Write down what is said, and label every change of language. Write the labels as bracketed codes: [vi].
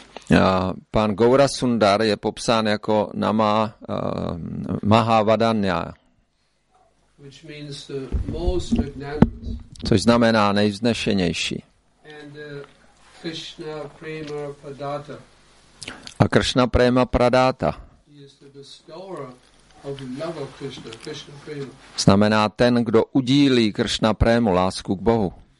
[cs] A pán Gaurasundar je popsán jako Nama Mahavadanya. [en] Which means the most magnanimous. [cs] Což znamená nejvznešenější. [en] And Krishna Prema Pradata. [cs] A Krishna Prema Pradata. [en] He is the bestower of love of Krishna, Krishna Prema. [cs] Znamená ten, kdo udílí Krishna Prému lásku k Bohu.